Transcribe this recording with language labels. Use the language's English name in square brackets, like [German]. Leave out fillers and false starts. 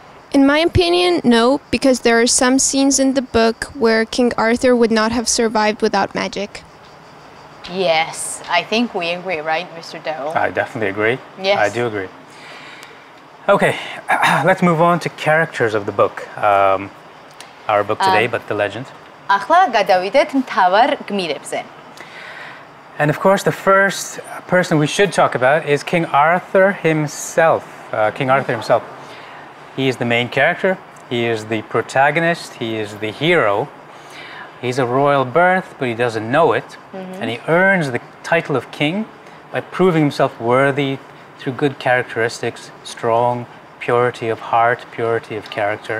[English] In my opinion, no, because there are some scenes in the book where King Arthur would not have survived without magic. Yes, I think we agree, right, Mr. Darrell? I definitely agree. Yes. I do agree. Okay, let's move on to characters of the book. Our book today, but the legend. [Georgian] ახლა გადავიდეთ მთავარ გმირებზე. [English] And of course, the first person we should talk about is King Arthur himself. King Arthur himself. He is the main character. He is the protagonist. He is the hero. He's a royal birth, but he doesn't know it. Mm-hmm. And he earns the title of king by proving himself worthy through good characteristics, strong purity of heart, purity of character.